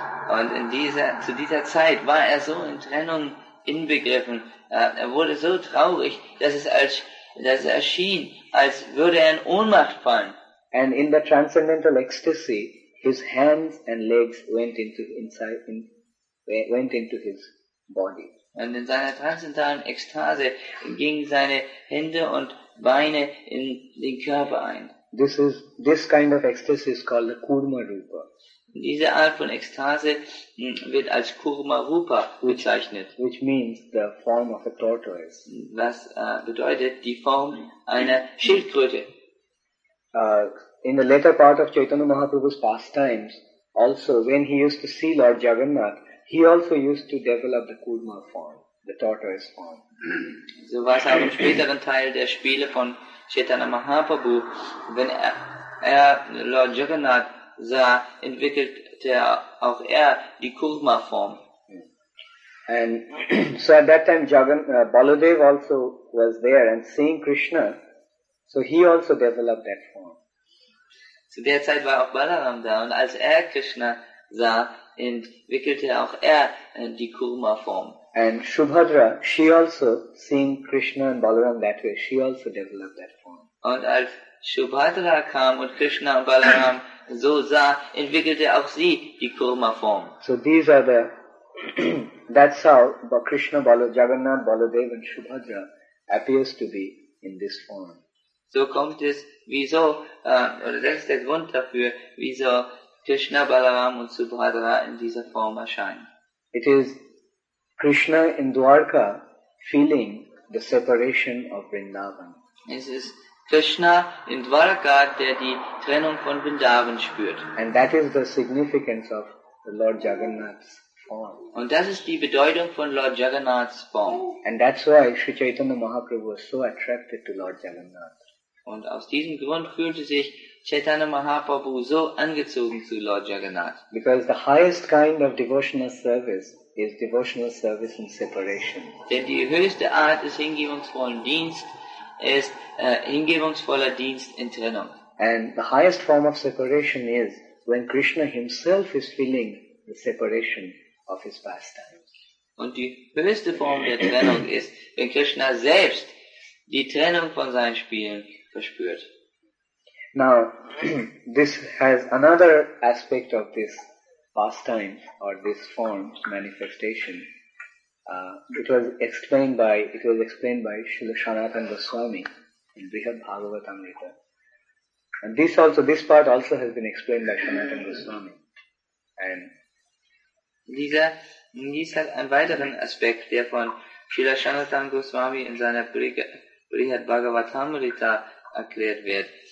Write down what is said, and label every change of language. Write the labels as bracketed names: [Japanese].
[German] Und zu dieser Zeit war er so in Trennung inbegriffen. Er wurde so traurig, dass es erschien, als würde er in Ohnmacht fallen. [English] And in the transcendental ecstasy, his hands and legs went into his body. [German] Und in seiner transzendentalen Ekstase gingen seine Hände und Beine in den Körper ein. [English] This kind of ecstasy is called the Kurma Rupa. [German] Diese Art von Ekstase wird als Kurma Rupa bezeichnet. [English] Which means the form of a tortoise. [German] Was bedeutet die Form einer Schildkröte? [English] In the later part of Chaitanya Mahaprabhu's pastimes, also when he used to see Lord Jagannath, he also used to develop the Kurma form, the tortoise form. [German] So war es auch im späteren Teil der Spiele von Chaitanya Mahaprabhu. Wenn er Lord Jagannath sah, entwickelte auch er die Kurma-Form. [English] And so at that time Baladev also was there and seeing Krishna, so he also developed that form. [German] Zu der Zeit war auch Balaram da und als er Krishna sah, entwickelte auch er die Kurma-Form. [English] And Subhadra, she also, seeing Krishna and Balaram that way, she also developed that form. [German] Und als Subhadra kam und Krishna und Balaram so sah, entwickelte auch sie die Kurma Form. [English] So these are the, that's how Krishna, Jagannath, Baladev and Subhadra appears to be in this form. [German] So kommt es, wieso, oder das ist der Grund dafür, wieso Krishna, Balaram und Subhadra in dieser Form erscheinen. [English] It is Krishna in Dwarka feeling the separation of Vrindavan. [German] Es ist Krishna in Dwarka, der die Trennung von Vrindavan spürt. [English] And that is the significance of the Lord Jagannath's form. [German] Und das ist die Bedeutung von Lord Jagannath's form. [English] And that's why Sri Chaitanya Mahaprabhu was so attracted to Lord Jagannath. [German] Und aus diesem Grund fühlte sich Chaitanya Mahaprabhu so angezogen zu Lord Jagannath. [English] Because the highest kind of devotional service is devotional service in separation. [German] Denn die höchste Art des hingebungsvollen Dienst ist hingebungsvoller Dienst in Trennung. [English] And the highest form of separation is when Krishna himself is feeling the separation of his pastimes. [German] Und die höchste Form der Trennung ist, wenn Krishna selbst die Trennung von seinen Spielen verspürt. [English] Now, this has another aspect of this pastime or this form manifestation. It was explained by Śrīla Sanātana Goswami in Brihad Bhāgavatamrita. And this part also has been explained by Sanatana Goswami. And [German] dies hat einen weiteren Aspekt, der von Śrīla Sanātana Goswami in seiner Brihad Bhāgavatamrita erklärt wird.